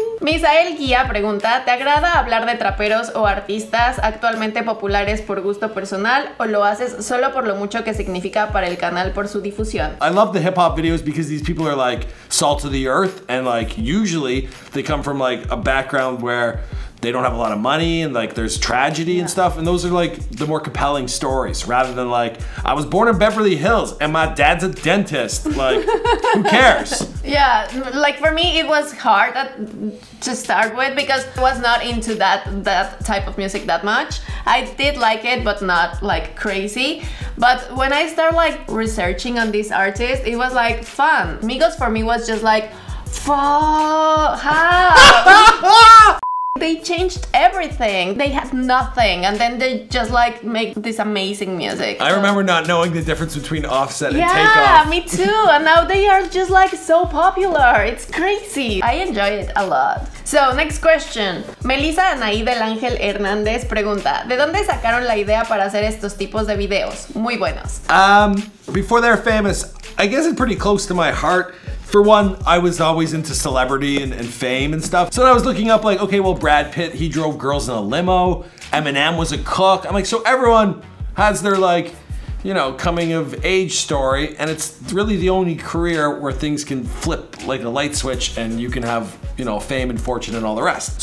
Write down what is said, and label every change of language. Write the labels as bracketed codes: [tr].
[es] Misael Guía pregunta, ¿te agrada hablar de traperos o artistas actualmente populares por gusto personal o lo haces solo por lo mucho que significa para el canal por su difusión? [en] I love the hip hop videos because these people are like salt of the earth and like usually they come from like a background where they don't have a lot of money and like there's tragedy and stuff. And those are like the more compelling stories rather than like, I was born in Beverly Hills and my dad's a dentist. Like, who cares? Yeah, like for me, it was hard to start with because I was not into that type of music that much. I did like it, but not like crazy. But when I started like researching on these artists, it was like fun. Migos for me was just like, fuck, they changed everything. They had nothing. And then they just like make this amazing music. I remember not knowing the difference between Offset and Takeoff. Yeah, me too. And now they are just like so popular. It's crazy. I enjoy it a lot. So, next question. [es] Melissa Anaí del Ángel Hernández pregunta, ¿de dónde sacaron la idea para hacer estos tipos de videos? Muy buenos. [en] Before They're Famous, I guess it's pretty close to my heart. For one, I was always into celebrity and fame and stuff. So then I was looking up like, okay, well, Brad Pitt, he drove girls in a limo. Eminem was a cook. I'm like, so everyone has their like, you know, coming of age story. And it's really the only career where things can flip like a light switch and you can have, you know, fame and fortune and all the rest.